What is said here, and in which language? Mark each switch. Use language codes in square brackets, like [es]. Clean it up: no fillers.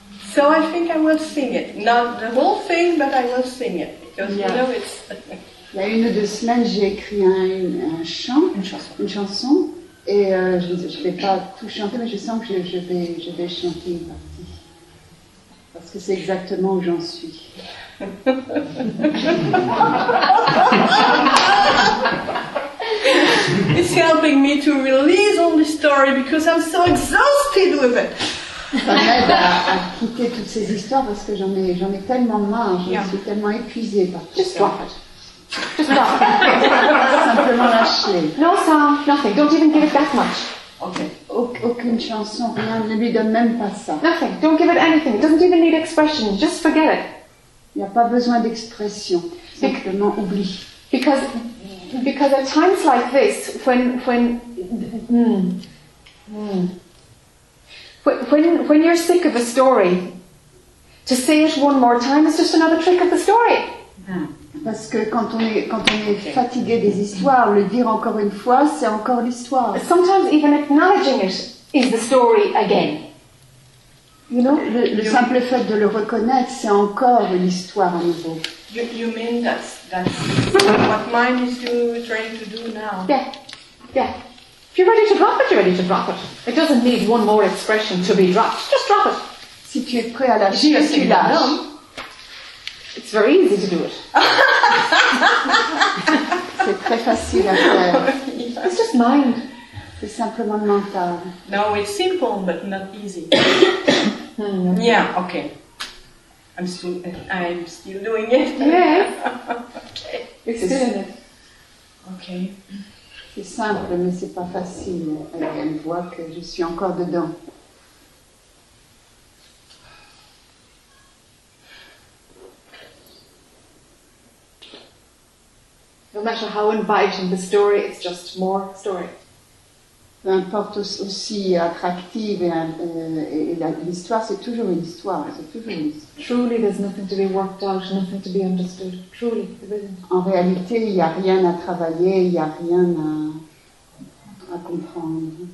[en] So I think I will sing it. Not the whole thing, but I will sing it. Because yeah. You know it's... [fr] Il y a une ou deux semaines, j'ai écrit une chanson, et je ne vais pas tout chanter, mais je sens que je vais chanter une partie. Parce que c'est exactement où j'en suis. [en] Is is helping me to release all the story because I'm so exhausted with it. [fr] À quitter toutes ces histoires parce que j'en ai tellement marre, je suis tellement épuisée par tout ça. [en] Stop. [fr] Simplement lâcher. [en] No song, nothing. Don't even give it that much. Okay. [fr] Aucune chanson, rien, ne lui donne même pas ça. [en] Nothing. Don't give it anything. It doesn't even need expression. Just forget it. [fr] Il n'y a pas besoin d'expression. Simplement oublie. [en] Because at times like this, when you're sick of a story, to say it one more time is just another trick of the story. [fr] Parce que quand on est fatigué des histoires, le dire encore une fois, c'est encore l'histoire. [en] Sometimes even acknowledging it is the story again. You know, [fr] le simple fait de le reconnaître, c'est encore l'histoire à nouveau. [en] You mean that's what mind is trying to do now? Yeah. If you're ready to drop it, you're ready to drop it. It doesn't need one more expression to be dropped. Just drop it. [fr] Si tu es prêt à lâcher, tu lâches. [en] It's very easy to do it. [fr] C'est très facile à faire. [en] It's just mind. [fr] C'est simplement mental. [en] No, it's simple, but not easy. Yeah, okay. I'm still doing it. Yes. Okay. It's doing it. Okay. [fr] C'est simple, mais c'est pas facile. Elle voit que je suis encore dedans. [en] No matter how inviting the story, it's just more story. [fr] Peu importe aussi attractive et l'histoire, c'est toujours une histoire. C'est toujours une histoire. [en] Truly, there's nothing to be worked out, nothing to be understood. Truly, there isn't. [fr] En réalité, il n'y a rien à travailler, il n'y a rien à comprendre.